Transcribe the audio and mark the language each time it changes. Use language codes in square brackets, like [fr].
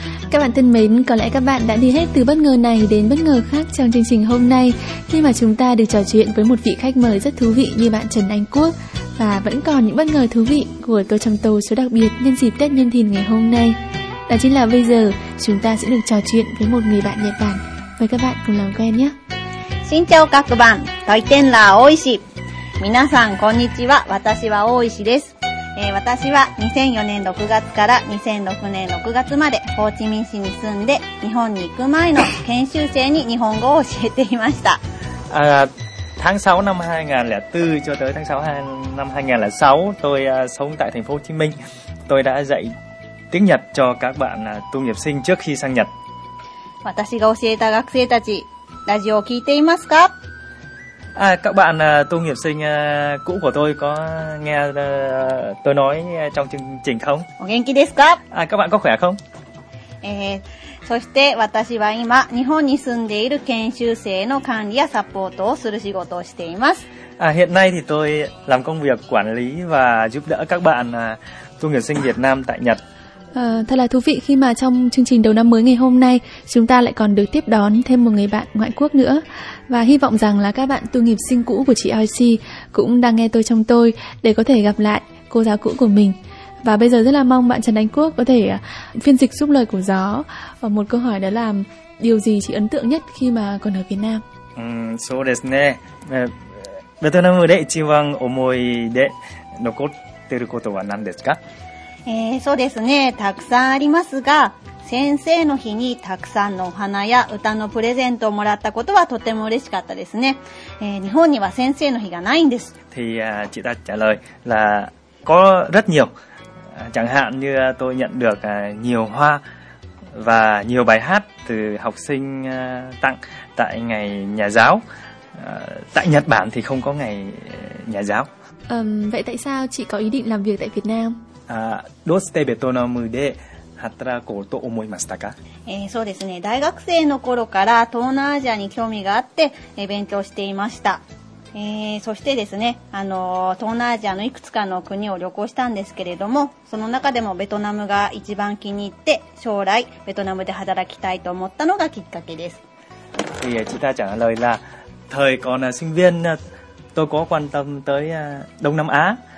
[vi] Các bạn thân mến, có lẽ các bạn đã đi hết từ bất ngờ này đến bất ngờ khác trong chương trình hôm nay khi mà chúng ta được trò chuyện với một vị khách mời rất thú vị như bạn Trần Anh Quốc. Và vẫn còn những bất ngờ thú vị của Tô Trong Tô số đặc biệt nhân dịp Tết Nhâm Thìn ngày hôm nay. Đó chính là bây giờ chúng ta sẽ được trò chuyện với một người bạn Nhật Bản. Mời các bạn cùng làm quen nhé. Xin chào các bạn, tôi tên là Oishi. [ja] 皆さんこんにちは、私は大石です。私は2004年6月から2006年6月までホーチミン市に住んで、日本に行く前の研修生に日本語を教えていました。 [vi] tháng 6 năm 2004 cho tới tháng 6 năm 2006, tôi sống tại thành phố Hồ Chí Minh. Tôi đã dạy tiếng Nhật cho các bạn tu nghiệp sinh trước khi sang Nhật. [ja] 私が教えた学生たち、ラジオを聞いていますか？ [vi] À, các bạn tu nghiệp sinh cũ của tôi có nghe tôi nói trong chương trình không? [ja] お元気ですか? [vi] À, các bạn có khỏe không? [ja] そして私は今日本に住んでいる研修生の管理やサポートをする仕事をしています。 [vi] À, hiện nay thì tôi làm công việc quản lý và giúp đỡ các bạn tu nghiệp sinh Việt Nam tại Nhật. Thật là thú vị khi mà trong chương trình đầu năm mới ngày hôm nay, chúng ta lại còn được tiếp đón thêm một người bạn ngoại quốc nữa. Và hy vọng rằng là các bạn tu nghiệp sinh cũ của chị IC cũng đang nghe Tôi Trong Tôi để có thể gặp lại cô giáo cũ của mình. Và bây giờ rất là mong bạn Trần Anh Quốc có thể phiên dịch giúp lời của gió và một câu hỏi đó là điều gì chị ấn tượng nhất khi mà còn ở Việt Nam? [ja] そうですね。ベトナムで一番思い出残ってることは何ですか？そうですね。たくさんありますが、先生の日にたくさんのお花や歌のプレゼントをもらったことはとても嬉しかったですね。日本には先生の日がないんです。 [vi] Thì chị đã trả lời là có rất nhiều. Chẳng hạn như tôi nhận được nhiều hoa và nhiều bài hát từ học sinh tặng tại ngày nhà giáo. Tại Nhật Bản thì không có ngày nhà giáo. Vậy tại sao chị có ý định làm việc tại Việt Nam? [ja] どうしてベトナムで働こうと思いましたか？そうですね。大学生の頃から東南アジアに興味があって、勉強していました。そしてですね、東南アジアのいくつかの国を旅行したんですけれども、その中でもベトナムが一番気に入って、将来ベトナムで働きたいと思ったのがきっかけです。 [vi] Thì chị ta trả lời là, thời còn sinh viên, tôi có quan tâm tới Đông Nam Á.